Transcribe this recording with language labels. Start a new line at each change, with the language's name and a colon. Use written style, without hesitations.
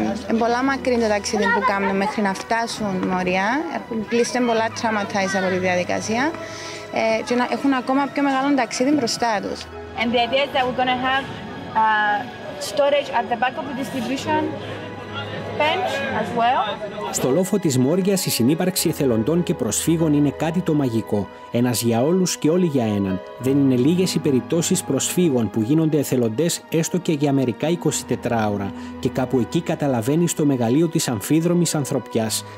Greek: Είναι πολλά μακρύ το ταξίδι που κάνουν μέχρι να φτάσουν Μόρια. Κλείστηκαν πολλά τραύματα από τη διαδικασία και έχουν ακόμα πιο μεγάλο ταξίδι μπροστά τους.
English: And the idea is that we're going to have storage at the back of the distribution bench as well.
Greek: Στο λόφο της Μόριας η συνύπαρξη εθελοντών και προσφύγων είναι κάτι το μαγικό. Ένας για όλους και όλοι για έναν. Δεν είναι λίγες οι περιπτώσεις προσφύγων που γίνονται εθελοντές έστω και για μερικά 24 ώρα. Και κάπου εκεί καταλαβαίνεις το μεγαλείο της αμφίδρομης ανθρωπιάς.